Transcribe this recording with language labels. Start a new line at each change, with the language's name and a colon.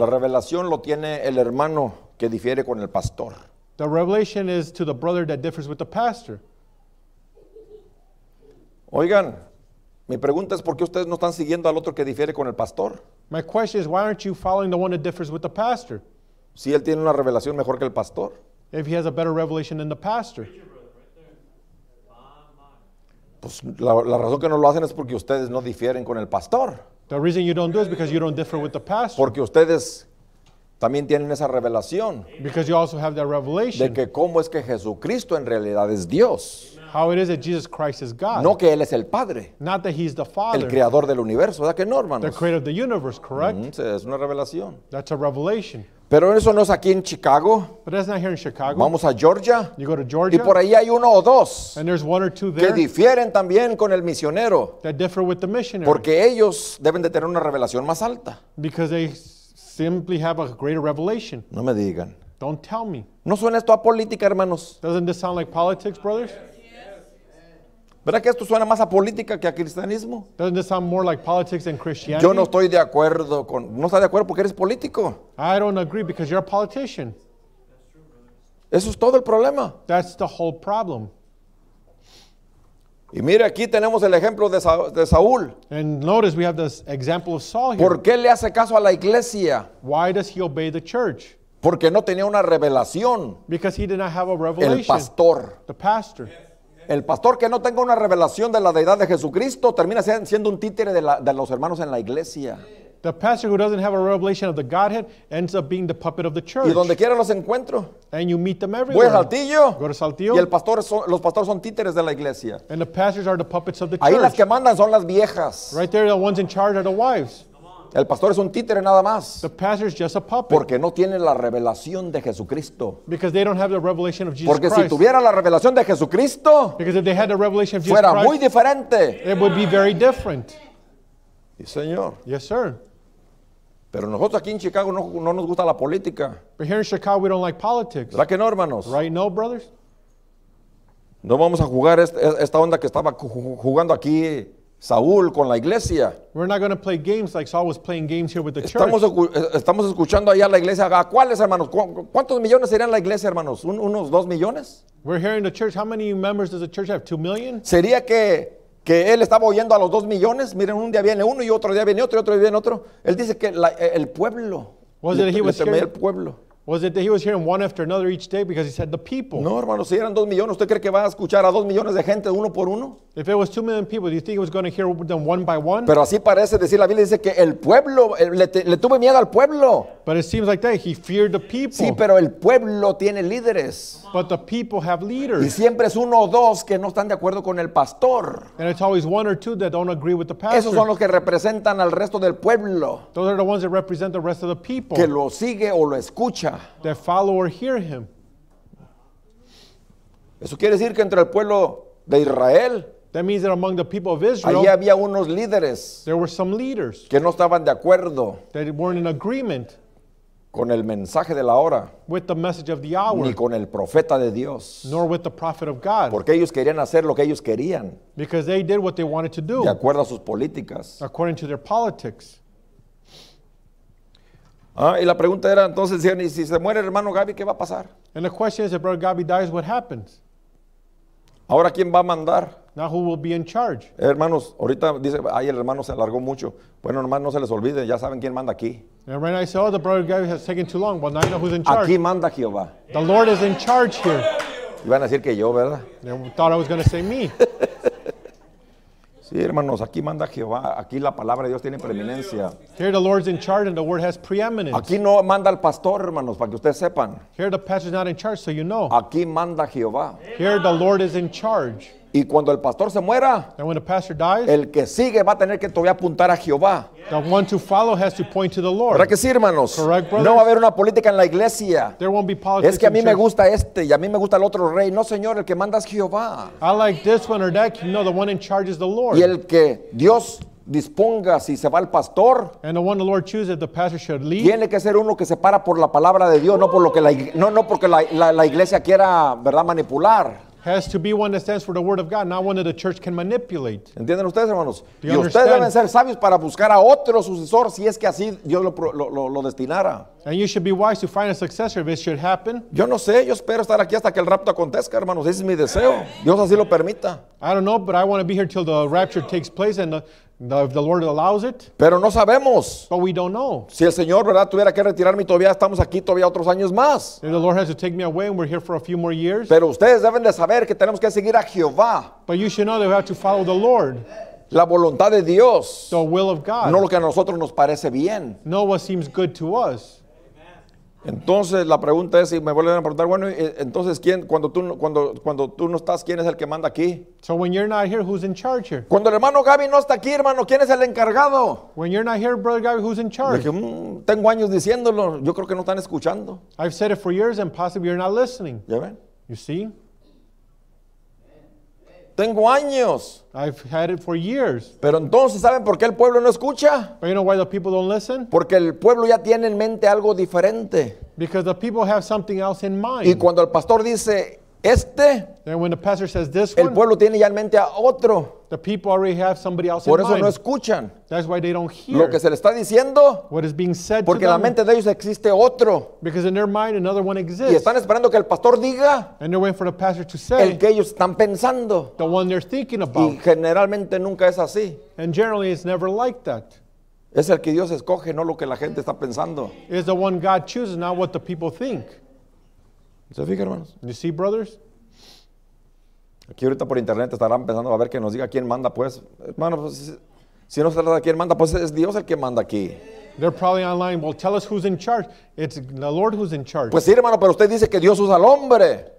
Spanish: La revelación lo tiene el hermano que difiere con el pastor.
English: The revelation is to the brother that differs with the pastor.
Spanish: Oigan, mi pregunta es por qué ustedes no están siguiendo al otro que difiere con el pastor.
English: My question is why aren't you following the one that differs with the pastor?
Spanish: Si él tiene una revelación mejor que el pastor.
English: If he has a better revelation than the pastor.
Spanish: Pues la razón que no lo hacen es porque ustedes no difieren con el pastor.
English: The reason you don't do is because you don't differ with the pastor.
Spanish: Porque ustedes también tienen esa revelación.
English: Because you also have that revelation.
Spanish: De que cómo es que Jesucristo en realidad es Dios.
English: How it is that Jesus Christ is God.
Spanish: No que él es el Padre.
English: Not that he's the Father.
Spanish: El creador del universo, ¿verdad que no, hermanos?
English: The creator of the universe, correct?
Spanish: Mm-hmm. Es una revelación.
English: That's a revelation.
Spanish: Pero eso no es aquí en Chicago.
English: But that's not here in Chicago.
Spanish: Vamos a Georgia.
English: You go to Georgia.
Spanish: Y por ahí hay uno o dos.
English: And there's one or two there.
Spanish: Que difieren también con el misionero.
English: That differ with the missionary.
Spanish: Porque ellos deben de tener una revelación más alta.
English: Because they simply have a greater revelation.
Spanish: No me digan.
English: Don't tell me.
Spanish: ¿No suena esto a política, hermanos?
English: Doesn't this sound like politics, brothers?
Spanish: ¿Verdad que esto suena más a política que a cristianismo?
English: Doesn't this sound more like politics than Christianity?
Spanish: Yo no estoy de acuerdo con... No está de acuerdo porque eres político.
English: I don't agree because you're a politician.
Spanish: Eso es todo el problema.
English: That's the whole problem.
Spanish: Y mire, aquí tenemos el ejemplo de Saúl.
English: And notice we have this example of Saul here.
Spanish: ¿Por qué le hace caso a la iglesia?
English: Why does he obey the church?
Spanish: Porque no tenía una revelación.
English: Because he did not have a revelation.
Spanish: El pastor.
English: The pastor.
Spanish: El pastor que no tenga una revelación de la deidad de Jesucristo termina siendo un títere de los hermanos en la iglesia.
English: The pastor who doesn't have a revelation of the Godhead ends up being the puppet of the church.
Spanish: Y donde quiera los encuentro.
English: And you meet them everywhere.
Spanish: Voy a Saltillo.
English: Go to Saltillo.
Spanish: Y los pastores son títeres de la iglesia.
English: And the pastors are the puppets of the
Spanish: church. Ahí las que mandan son las viejas.
English: Right there, the ones in charge are the wives.
Spanish: El pastor es un títere nada más.
English: The pastor is just a puppet.
Spanish: Porque no tiene la revelación de Jesucristo.
English: Because they don't have the revelation of Jesus
Spanish: porque
English: Christ.
Spanish: Porque si tuviera la revelación de Jesucristo.
English: Because if they had the revelation of Jesus
Spanish: fuera
English: Christ.
Spanish: Fuera muy diferente.
English: It would be very different.
Spanish: Sí, señor.
English: Yes, sir.
Spanish: Pero nosotros aquí en Chicago no nos gusta la política.
English: But here in Chicago we don't like politics.
Spanish: ¿Verdad que no, hermanos?
English: Right, no, brothers?
Spanish: No vamos a jugar esta onda que estaba jugando aquí. Saúl con la iglesia.
English: We're not going to play games like Saul was playing games here with the church.
Spanish: Estamos escuchando allá la iglesia. ¿A cuáles, hermanos? ¿Cuántos millones serían la iglesia, hermanos? ¿Unos 2 millones?
English: We're hearing the church. How many members does the church have? 2 million?
Spanish: ¿Sería que él estaba oyendo a los 2 millones? Miren, un día viene uno y otro día viene otro. Él dice que el pueblo.
English: Was it that he was hearing? Was it that he was hearing one after another each day because he said the people?
Spanish: No, hermano, si eran 2 millones, ¿usted cree que va a escuchar a 2 millones de gente uno por uno?
English: If it was 2 million people, do you think he was going to hear them one by one?
Spanish: Pero así parece decir la Biblia, dice que el pueblo le tuve miedo al pueblo.
English: But it seems like that he feared the people.
Spanish: Sí, pero el pueblo tiene líderes.
English: But the people have leaders.
Spanish: Y siempre es uno o dos que no están de acuerdo con el pastor.
English: And it's always one or two that don't agree with the pastor.
Spanish: Esos son los que representan al resto del pueblo.
English: Those are the ones that represent the rest of the people.
Spanish: Que lo sigue o lo escucha.
English: That follow or hear him.
Spanish: Eso quiere decir que entre el pueblo de Israel.
English: That means that among the people of Israel.
Spanish: Allí había unos líderes.
English: There were some leaders.
Spanish: Que no estaban de acuerdo.
English: That weren't in agreement.
Spanish: Con el mensaje de la hora.
English: With the message of the hour.
Spanish: Ni con el profeta de Dios.
English: Nor with the prophet of God.
Spanish: Porque ellos querían hacer lo que ellos querían.
English: Because they did what they wanted to do.
Spanish: De acuerdo a sus políticas.
English: According to their politics.
Spanish: Y la pregunta era entonces, ¿y si se muere el hermano Gaby, qué va a pasar?
English: And the question is, if brother Gaby dies, what happens?
Spanish: Ahora, ¿quién va a mandar?
English: Now, who will be in charge?
Spanish: Hermanos, ahorita dice, ay, el hermano se alargó mucho. Bueno, hermano, no se les olvide, ya saben quién manda aquí.
English: And right now I say, oh, the brother Gaby has taken too long. Well, now you know who's in charge.
Spanish: Aquí manda Jehová.
English: The Lord is in charge here.
Spanish: Iban a decir que yo, ¿verdad?
English: They thought I was going to say me.
Spanish: Sí, hermanos, aquí manda Jehová. Aquí la palabra de Dios tiene preeminencia.
English: Here the Lord's in charge and the word has preeminence.
Spanish: Aquí no manda el pastor, hermanos, para que ustedes sepan.
English: Here the pastor's not in charge, so you know.
Spanish: Aquí manda Jehová.
English: Here the Lord is in charge.
Spanish: Y cuando el pastor se muera,
English: and when the pastor dies,
Spanish: el que sigue va a tener que todavía apuntar a Jehová.
English: The one to follow has to point to the Lord.
Spanish: ¿Verdad que sí, hermanos?
English: Correct, brothers?
Spanish: No va a haber una política en la iglesia.
English: There won't be politics.
Spanish: Es que a mí me gusta este y a mí me gusta el otro rey. No, señor, el que manda es Jehová.
English: I like this one or that. No, the one in charge is the Lord.
Spanish: Y el que Dios disponga si se va el pastor.
English: And the one the Lord chooses if the pastor should leave.
Spanish: Tiene que ser uno que se para por la palabra de Dios, no por lo que la no porque la iglesia quiera, ¿verdad?, manipular.
English: Has to be one that stands for the word of God, not one that the church can manipulate.
Spanish: ¿Entienden ustedes, hermanos? Y ustedes deben ser sabios para buscar a otro sucesor si es que así Dios lo destinara.
English: And you should be wise to find a successor if it should happen.
Spanish: Yo no sé, yo espero estar aquí hasta que el rapto acontezca, hermanos. Ese es mi deseo. Dios así lo permita.
English: I don't know, but I want to be here till the rapture takes place and if the Lord allows it.
Spanish: Pero no sabemos.
English: But we don't know.
Spanish: Si el Señor, ¿verdad?, tuviera que retirarme, todavía estamos aquí todavía otros años más.
English: If the Lord has to take me away and we're here for a few more years.
Spanish: Pero ustedes deben de saber que tenemos que seguir a Jehová.
English: But you should know that we have to follow the Lord.
Spanish: La voluntad de Dios.
English: The will of God.
Spanish: No lo que a nosotros nos parece bien.
English: Know what seems good to us.
Spanish: Entonces la pregunta es, y me vuelven a preguntar, bueno, entonces quién, cuando tú no estás, ¿quién es el que manda aquí?
English: So when you're not here, who's in charge here?
Spanish: Cuando el hermano Gaby no está aquí, hermano, ¿quién es el encargado?
English: When you're not here, brother Gaby, who's in charge?
Spanish: Dije, tengo años diciéndolo, yo creo que no están escuchando.
English: I've said it for years and possibly you're not listening.
Spanish: ¿Ya ven?
English: You see?
Spanish: Tengo años.
English: I've had it for years.
Spanish: Pero entonces, ¿saben por qué el pueblo no escucha?
English: But you know why the people don't listen?
Spanish: Porque el pueblo ya tiene en mente algo diferente.
English: Because the people have something else in mind.
Spanish: Y cuando el pastor dice este,
English: and when the pastor says this
Spanish: el pueblo
English: one,
Spanish: tiene ya en mente a otro.
English: The people already have somebody else in mind.
Spanish: Por eso no escuchan.
English: That's why they don't hear.
Spanish: Lo que se le está diciendo,
English: what is being said
Spanish: porque
English: to
Spanish: en
English: them,
Spanish: la mente de ellos existe otro.
English: Because in their mind another one exists.
Spanish: Y están esperando que el pastor diga,
English: and they're waiting for the pastor to say,
Spanish: el que ellos están pensando,
English: the one they're thinking about.
Spanish: Y generalmente nunca es así.
English: And generally it's never like that.
Spanish: Es el que Dios escoge, no lo que la gente está pensando.
English: It's the one God chooses, not what the people think.
Spanish: ¿Se fija, hermanos?
English: You see, brothers?
Spanish: Aquí ahorita por internet estarán pensando a ver que nos diga quién manda, pues. Hermano, pues, si no se trata de quién manda, pues es Dios el que manda aquí.
English: They're probably online. Well, tell us who's in charge. It's the Lord who's in charge.
Spanish: Pues sí, hermano, pero usted dice que Dios usa al hombre.